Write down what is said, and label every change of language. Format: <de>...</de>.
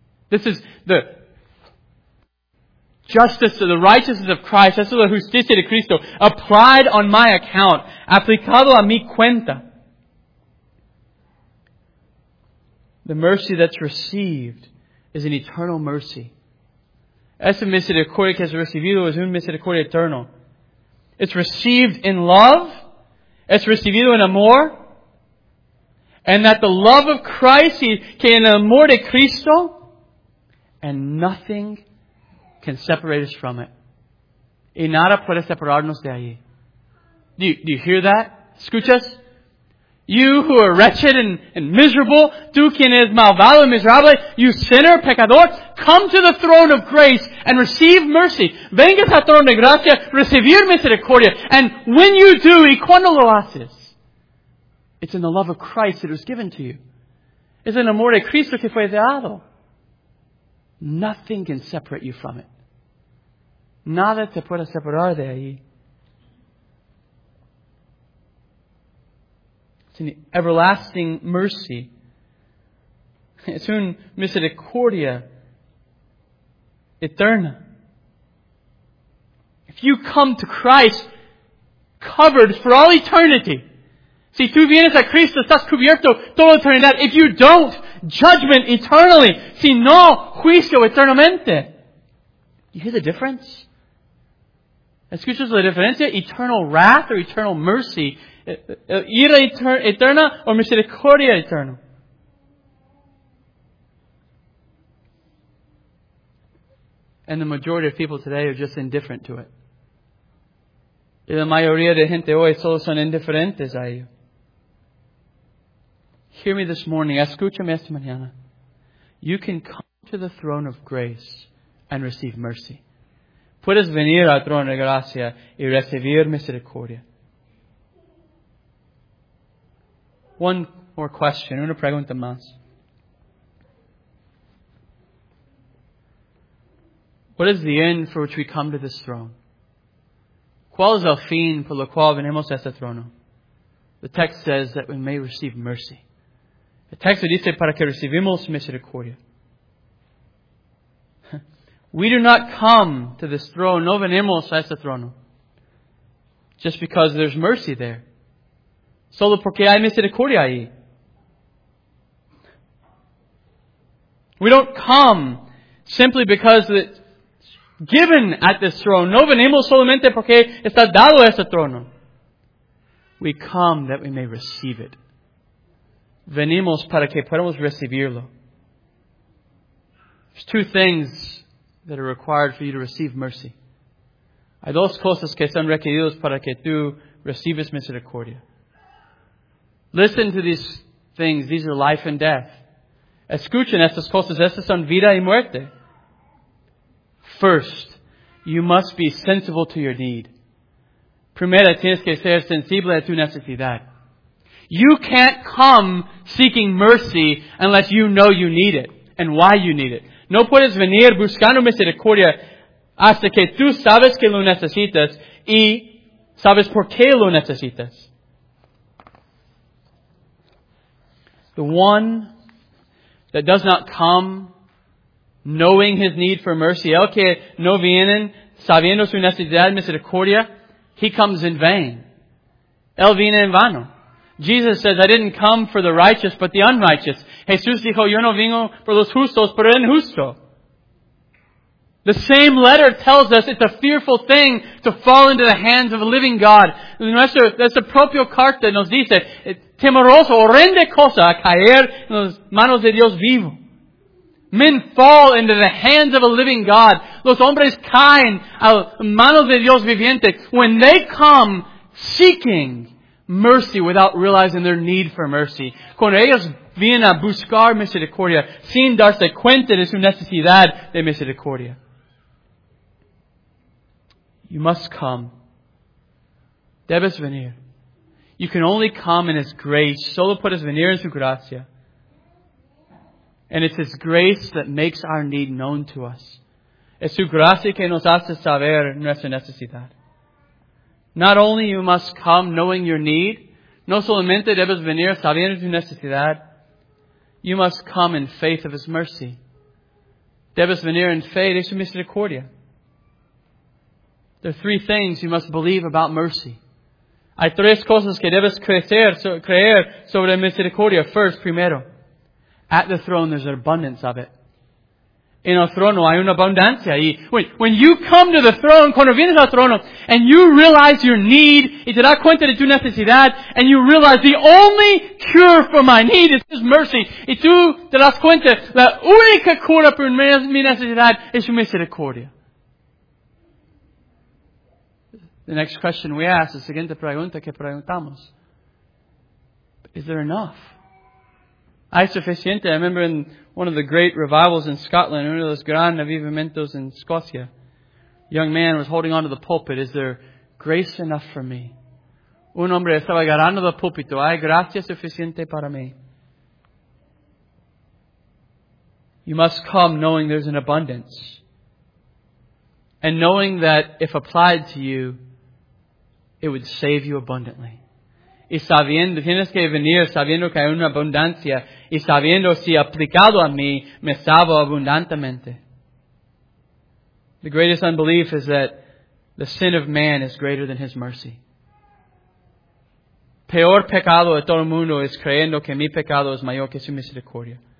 <en>This is the justice of the righteousness of Christ.</en> <es>Esa es la justicia de Cristo.</es> <en>Applied on my account.</en> <es>Aplicado a mi cuenta.</es> <en>The mercy that's received is an eternal mercy.</en> <es>Esa misericordia que has recibido es una misericordia eterna.</es> <en>It's received in love. It's</en> <es>recibido en amor.</es> <en>And that the love of Christ</en> <es>que en el amor de Cristo.</es> <en>And nothing can separate us from it.</en> <es>Y nada puede separarnos de allí.</es> <en>Do you hear that?</en> <es>Escuchas?</es> <en>You who are wretched and miserable,</en> <es>tú quien es malvado y miserable,</es> <en>you sinner,</en> <es>pecador,</es> <en>come to the throne of grace and receive mercy.</en> <es>Vengas al trono de gracia, recibir misericordia.</es> <en>And when you do,</en> <es>y cuando lo haces,</es> <en>it's in the love of Christ that was given to you.</en> <es>Es en amor de Cristo que fue dado.</es> <en>Nothing can separate you from it.</en> <es>Nada te puede separar de ahí.</es> <en>An everlasting mercy.</en> <es>Es un misericordia eterna.</es> <en>If you come to Christ covered for all eternity.</en> <es>Si tú vienes a Cristo, estás cubierto toda eternidad.</es> <en>If you don't, judgment eternally.</en> <es>Si no, juicio eternamente.</es> <en>You hear the difference?</en> <es>¿Escuchas la diferencia?</es> <en>Eternal wrath or eternal mercy.</en> <es>Ira eterna o misericordia eterna.</es> <en>And the majority of people today are just indifferent to it.</en> <es>Y la mayoría de gente hoy solo son indiferentes a ello.</es> <en>Hear me this morning.</en> <es>Escúchame esta mañana.</es> <en>You can come to the throne of grace and receive mercy.</en> <es>Puedes venir al trono de gracia y recibir misericordia.</es> <en>One more question.</en> <es>Una pregunta más.</es> <en>What is the end for which we come to this throne?</en> <es>¿Cuál es el fin por lo cual venimos a este trono?</es> <en>The text says that we may receive mercy.</en> <es>El texto dice para que recibimos misericordia.</es> <en>We do not come to this throne.</en> <es>No venimos a este trono.</es> <en>Just because there's mercy there.</en> <es>Solo porque hay misericordia ahí.</es> <en>We don't come simply because it's given at this throne.</en> <es>No venimos solamente porque está dado a este trono.</es> <en>We come that we may receive it.</en> <es>Venimos para que podamos recibirlo.</es> <en>There's two things that are required for you to receive mercy.</en> <es>Hay dos cosas que son requeridos para que tú recibas misericordia.</es> <en>Listen to these things. These are life and death.</en> <es>Escuchen estas cosas. Estas son vida y muerte.</es> <en>First, you must be sensible to your need.</en> <es>Primera, tienes que ser sensible a tu necesidad.</es> <en>You can't come seeking mercy unless you know you need it and why you need it.</en> <es>No puedes venir buscando misericordia hasta que tú sabes que lo necesitas y sabes por qué lo necesitas.</es> <en>The one that does not come knowing his need for mercy,</en> <es>el que no viene sabiendo su necesidad, misericordia,</es> <en>he comes in vain.</en> <es>Él viene en vano.</es> <en>Jesus says, I didn't come for the righteous, but the unrighteous.</en> <es>Jesús dijo, yo no vengo por los justos, pero el injusto.</es> <en>The same letter tells us it's a fearful thing to fall into the hands of a living God.</en> <es>Nuestra propia carta nos dice, temeroso, horrenda cosa, caer en las manos de Dios vivo.</es> <en>Men fall into the hands of a living God.</en> <es>Los hombres caen a manos de Dios viviente.</es> <en>When they come seeking mercy without realizing their need for mercy.</en> <es>Cuando ellos vienen a buscar misericordia sin darse cuenta de su necesidad de misericordia.</es> <en>You must come.</en> <es>Debes venir.</es> <en>You can only come in His grace.</en> <es>Solo puedes venir en su gracia.</es> <en>And it's His grace that makes our need known to us.</en> <es>Es su gracia que nos hace saber nuestra necesidad.</es> <en>Not only you must come knowing your need,</en> <es>no solamente debes venir sabiendo tu necesidad,</es> <en>you must come in faith of His mercy.</en> <es>Debes venir en fe de su misericordia.</es> <en>There are three things you must believe about mercy.</en> <es>Hay tres cosas que debes creer sobre misericordia.</es> <en>First,</en> <es>primero,</es> <en>at the throne, there's an abundance of it.</en> <es>En el trono hay una abundancia. Y</es> <en>when you come to the throne,</en> <es>cuando vienes al trono,</es> <en>and you realize your need,</en> <es>y te das cuenta de tu necesidad,</es> <en>and you realize the only cure for my need is His mercy,</en> <es>y tú te das cuenta, la única cura por mi necesidad es su misericordia.</es> <en>The next question we ask,</en> <es>la siguiente pregunta que preguntamos,</es> <en>is there enough?</en> <es>Hay suficiente.</es> <en>I remember in one of the great revivals in Scotland,</en> <es>uno de los gran avivamientos en Escocia,</es> <en>a young man was holding onto the pulpit. Is there grace enough for me?</en> <es>Un hombre estaba agarrando el púlpito. ¿Hay gracia suficiente para mí?</es> <en>You must come knowing there's an abundance. And knowing that if applied to you, it would save you abundantly.</en> <es>Y sabiendo, tienes que venir sabiendo que hay una abundancia. Y sabiendo si aplicado a mí, me salvo abundantemente.</es> <en>The greatest unbelief is that the sin of man is greater than His mercy.</en> <es>Peor pecado de todo el mundo es creyendo que mi pecado es mayor que su misericordia.</es>